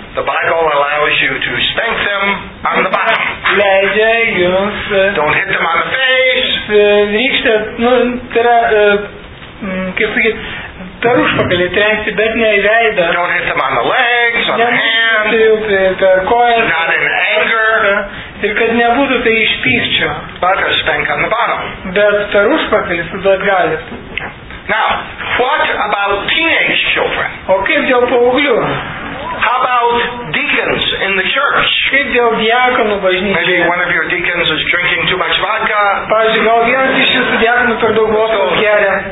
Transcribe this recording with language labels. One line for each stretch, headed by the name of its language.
English: the Bible allows you to spank them on the back.
Lithuanian: Leidžia jums.
English: Don't hit them on the face.
Lithuanian: Rykštė, nu, tai yra, kaip sakyti, per užpakalį trenkti, bet ne į veidą.
English: Don't hit them on the legs, on the hand.
Lithuanian: Per kojas.
English: Not in anger.
Lithuanian: Ir kad nebūtų tai iš pykčio.
English: But a spank on the bottom.
Lithuanian: Bet per užpakalį sudat galit.
English: Now, what about teenage children?
Lithuanian: O kaip dėl paauglių?
English: How about deacons in the church?
Lithuanian: Kaip dėl diakonų bažnyčioje?
English: Maybe one of your deacons is drinking too much vodka.
Lithuanian: Pavyzdžiui, gal vienas iš jūsų diakonų per daug vodkos geria.